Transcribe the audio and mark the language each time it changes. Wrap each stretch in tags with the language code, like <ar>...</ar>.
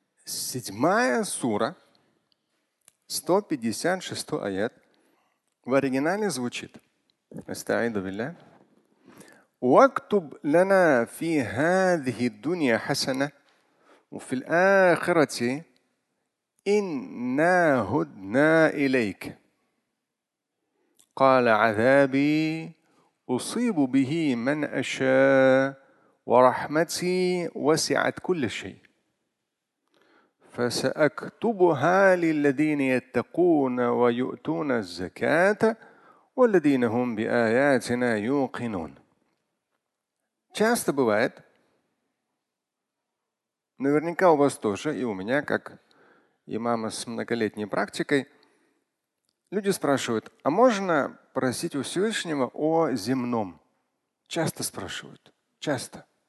<ru>Седьмая сура, 156 аят, в оригинале звучит.</ru> <ar>أستعيذ بالله. واكتب لنا في هذه الدنيا حسنة وفي الآخرة إنا هدنا إليك. قال عذابي أصيب به من أشاء ورحمتي وسعت كل شيء فسأكتبها للذين يتقون ويؤتون الزكاة والذين هم بآياتنا يوقنون.</ar> <ru>Часто бывает, наверняка у вас тоже, и у меня, как имама с многолетней практикой, люди спрашивают, а можно просить у Всевышнего о земном? Часто спрашивают, часто.</ru>